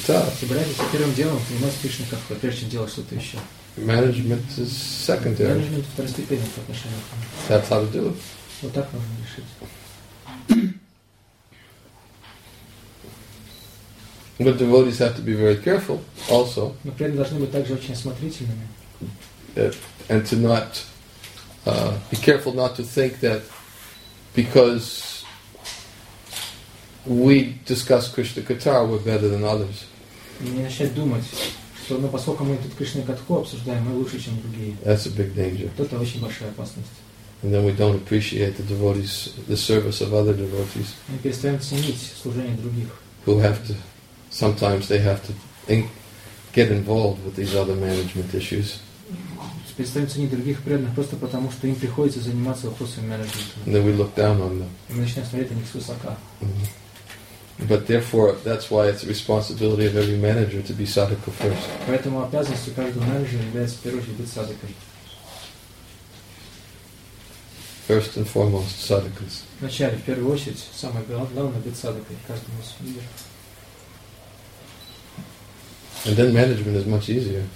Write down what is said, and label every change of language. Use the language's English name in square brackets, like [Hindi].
[English] Katha. Management is secondary. [Russian] Management второстепенно по отношению к нему. [English] That's how to do it. [Russian] Вот так можно решить. [English] But devotees have to be very careful also. [Russian] Но преданные должны быть также очень осмотрительными. [English] And to not be careful not to think that because we discuss Krishna Katha we're better than others. [Russian] Не начать думать, что ну, поскольку мы тут Кришна Катху обсуждаем, мы лучше, чем другие. [English] That's a big danger. [Russian] Это очень большая опасность. [English] And then we don't appreciate the devotees, the service of other devotees. [Russian] Мы перестаем ценить служение других. [English] Who have to sometimes they have to get involved with these other management issues. [Russian] Представиться не других преданных просто потому, что им приходится заниматься вопросами менеджмента. [English] Then we look down on them. [Russian] Мы начинаем смотреть на них свысока. [English] But therefore, that's why it's the responsibility of every manager to be sadhaka first. [Russian] Поэтому обязанностью каждого менеджера является в первую очередь быть садхакой. [English] First and foremost, sadhakas. [Russian] Вначале, в первую очередь, самое главное быть садхакой каждому из лидеров. [English] And then management is much easier.